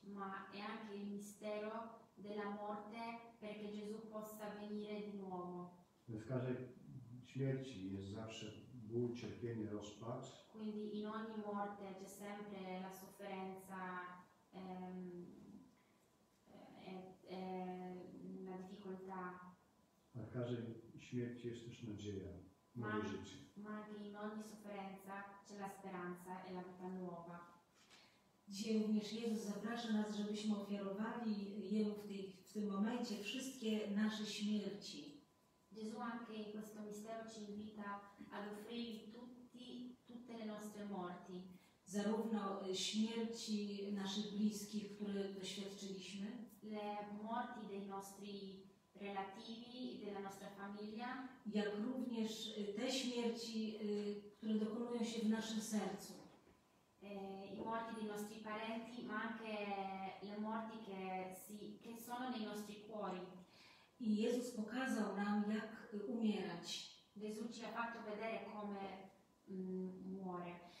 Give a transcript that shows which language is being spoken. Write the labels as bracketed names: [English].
[Italian] Ma è anche il mistero della morte perché Gesù possa venire di nuovo. [Polish] W każdej śmierci jest zawsze ból, cierpienie, rozpacz. [Italian] Quindi in ogni morte c'è sempre la sofferenza, la difficoltà. [Polish] A każdej śmierci jest też nadzieja, nowe życie. [Italian] Ma anche in ogni sofferenza c'è la speranza e la vita nuova. [Polish] Dzisiaj również Jezus zaprasza nas, żebyśmy ofiarowali Jemu w tym momencie wszystkie nasze śmierci. [Italian] Gesù anche in questo mistero ci invita ad offrirgli tutte le nostre morti. [Polish] Zarówno śmierci naszych bliskich, które doświadczyliśmy. [Italian] Le morti dei nostri relativi, della nostra famiglia. [Polish] Jak również te śmierci, które dokonują się w naszym sercu. [Italian] I morti dei nostri parenti, ma anche le morti che sono nei nostri cuori. [Polish] I Jezus pokazał nam, jak umierać. [Italian] Gesù ci ha fatto vedere come muore.